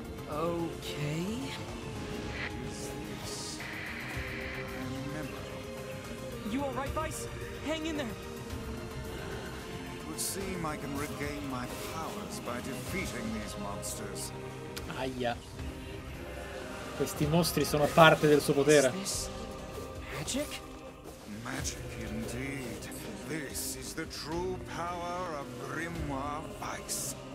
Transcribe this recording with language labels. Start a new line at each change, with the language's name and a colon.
English: Okay. Is this memorable? You all right, Vice? Hang in there. It would seem I can regain my powers by defeating these monsters. Aya.
Italian: Questi mostri sono parte del suo potere.
English: Magic? Magic indeed. This is the true power of Grimoire Vice.